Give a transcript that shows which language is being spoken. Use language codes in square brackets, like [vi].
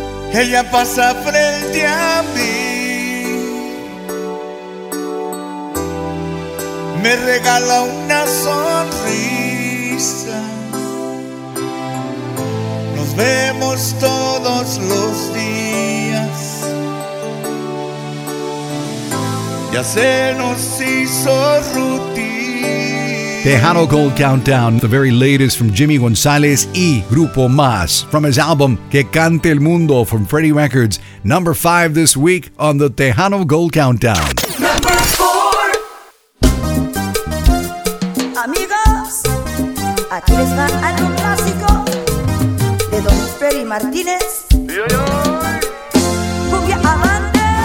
[es] Ella pasa frente a mí, me regala una sonrisa. Nos vemos todos los días, ya se nos hizo rutina. [en] Tejano Gold Countdown, the very latest from Jimmy González y Grupo Más, from his album Que Cante el Mundo from Freddie Records, number 5 this week on the Tejano Gold Countdown. [es] Aquí les va algo clásico de Don Freddy Martínez. Cumbia amante. Cumbia amante.